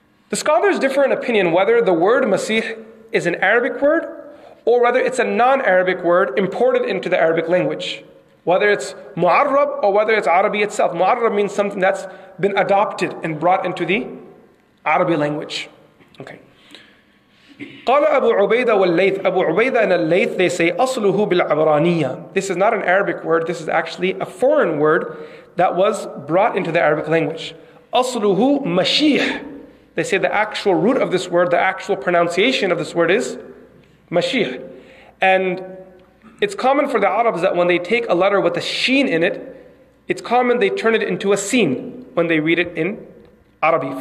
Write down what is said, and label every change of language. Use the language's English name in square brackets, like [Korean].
[English] The scholars differ in opinion whether the word Masih is an Arabic word or whether it's a non-Arabic word imported into the Arabic language. Whether it's Mu'arrab or whether it's Arabi itself. Mu'arrab means something that's been adopted and brought into the Arabic language. Okay. [Arabic] قال أبو عبيدة والليث. [English] أبو عبيدة and الليث, they say, [Arabic] أصله بالعبرانية. [English] This is not an Arabic word. This is actually a foreign word that was brought into the Arabic language. [Arabic] أصله مشيح. [English] They say the actual root of this word, the actual pronunciation of this word is Mashiach. And it's common for the Arabs that when they take a letter with a sheen in it, it's common they turn it into a seen when they read it in Arabic.